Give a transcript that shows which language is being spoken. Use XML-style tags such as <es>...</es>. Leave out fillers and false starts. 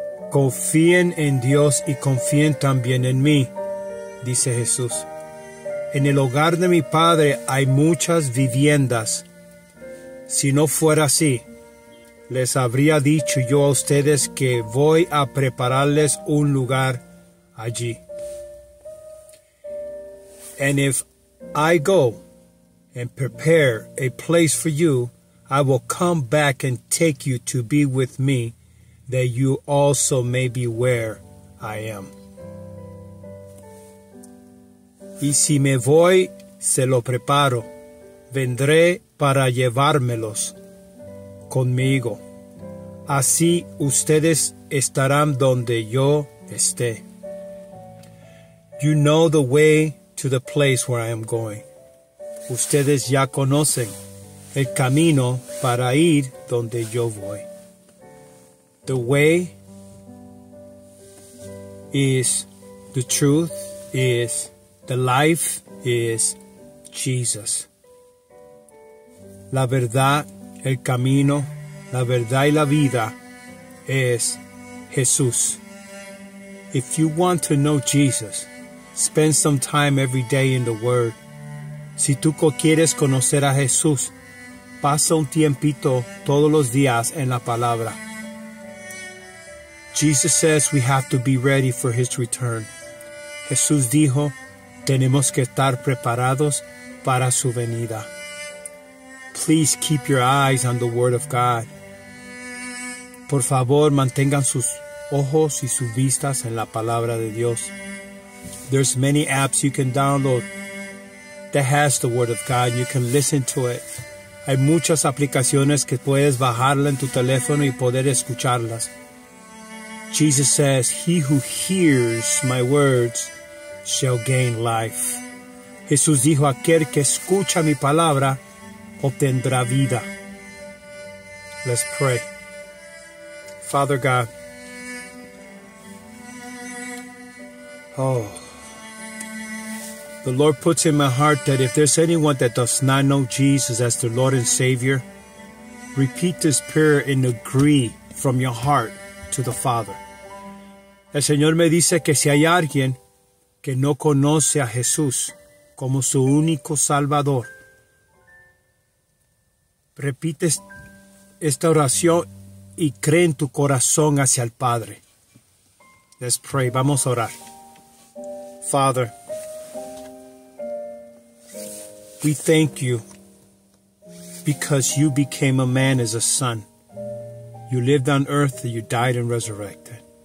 <es>Confíen en Dios y confíen también en mí, dice Jesús. En el hogar de mi Padre hay muchas viviendas. Si no fuera así, les habría dicho yo a ustedes que voy a prepararles un lugar allí.</es> <en>And if I go and prepare a place for you, I will come back and take you to be with me, that you also may be where I am.</en> <es>Y si me voy, se lo preparo. Vendré para llevármelos conmigo. Así ustedes estarán donde yo esté.</es> <en>You know the way to the place where I am going.</en> <es>Ustedes ya conocen el camino para ir donde yo voy.</es> <en>The way is the truth, is the life, is Jesus.</en> <es>La verdad, el camino, la verdad y la vida es Jesús.</es> <en>If you want to know Jesus, spend some time every day in the Word.</en> <es>Si tú quieres conocer a Jesús, pasa un tiempito todos los días en la palabra.</es> <en>Jesus says we have to be ready for his return.</en> <es>Jesús dijo, tenemos que estar preparados para su venida.</es> <en>Please keep your eyes on the Word of God.</en> <es>Por favor, mantengan sus ojos y sus vistas en la palabra de Dios.</es> <en>There's many apps you can download that has the Word of God. You can listen to it.</en> <es>Hay muchas aplicaciones que puedes bajarla en tu teléfono y poder escucharlas.</es> <en>Jesus says, he who hears my words shall gain life.</en> <es>Jesús dijo, aquel que escucha mi palabra obtendrá vida.</es> <en>Let's pray. Father God, the Lord puts in my heart that if there's anyone that does not know Jesus as their Lord and Savior, repeat this prayer and agree from your heart to the Father.</en> <es>El Señor me dice que si hay alguien que no conoce a Jesús como su único Salvador, repite esta oración y cree en tu corazón hacia el Padre.</es> <en>Let's pray.</en> <es>Vamos a orar.</es> <en>Father, we thank you because you became a man as a son. You lived on earth, you died and resurrected.</en>